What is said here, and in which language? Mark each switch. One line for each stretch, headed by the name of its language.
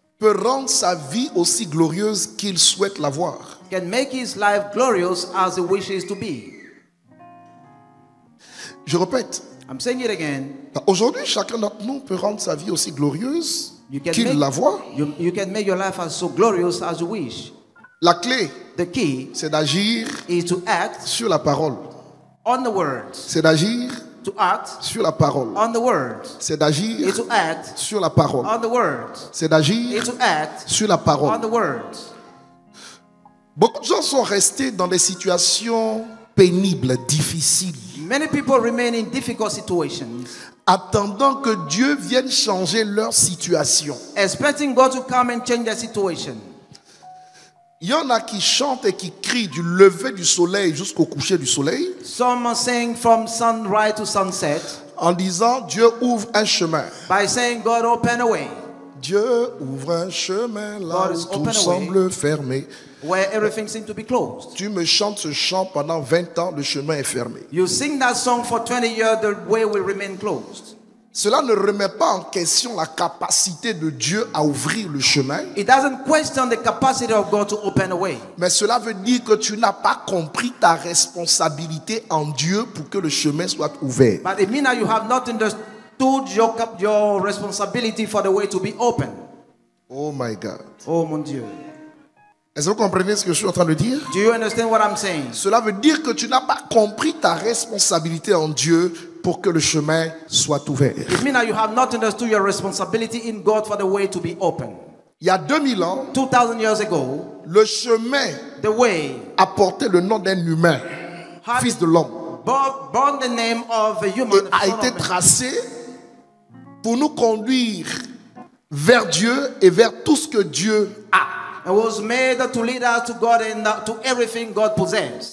French: peut rendre sa vie aussi glorieuse qu'il souhaite l'avoir.
English: Can make his life glorious as he wishes to be.
French: Je répète.
English: I'm saying it again.
French: Aujourd'hui, chacun d'entre nous peut rendre sa vie aussi glorieuse qu'il l'avoir.
English: You can make your life as so glorious as you wish.
French: La clé,
English: the key,
French: c'est d'agir
English: is to act
French: sur la parole.
English: On the words.
French: C'est d'agir
English: to act
French: sur la parole.
English: On the words.
French: C'est d'agir
English: is to act
French: sur la parole.
English: On the words.
French: C'est d'agir
English: is to act
French: sur la parole.
English: On the words.
French: Beaucoup de gens sont restés dans des situations pénibles, difficiles.
English: Many people remain in difficult situations.
French: Attendant que Dieu vienne changer leur situation.
English: Expecting God to come and change their situation.
French: Il y en a qui chantent et qui crient du lever du soleil jusqu'au coucher du soleil.
English: Some sing from sunrise to sunset.
French: En disant Dieu ouvre un chemin.
English: By saying God open a way.
French: Dieu ouvre un chemin là où tout semble fermé.
English: Where everything seems to be closed.
French: Tu me chantes ce chant pendant 20 ans, le chemin est fermé.
English: You sing that song for 20 years, the way will remain closed.
French: Cela ne remet pas en question la capacité de Dieu à ouvrir le chemin.
English: It doesn't question the capacity of God to open a way.
French: Mais cela veut dire que tu n'as pas compris ta responsabilité en Dieu pour que le chemin soit ouvert.
English: But it means that you have not understood your responsibility for the way to be open. Oh my God.
French: Oh mon Dieu. Est-ce que vous comprenez ce que je suis en train de dire?
English: Do you understand what I'm saying?
French: Cela veut dire que tu n'as pas compris ta responsabilité en Dieu pour que le chemin soit ouvert.
English: It means that you have not understood your responsibility in God for the way to be open.
French: Il y a 2000 ans,
English: 2000 years ago,
French: le chemin,
English: the way,
French: a porté le nom d'un humain, fils de l'homme,
English: born the name of a human,
French: a été tracé pour nous conduire vers Dieu et vers tout ce que Dieu a.
English: It was made to lead us to God and to everything God possesses.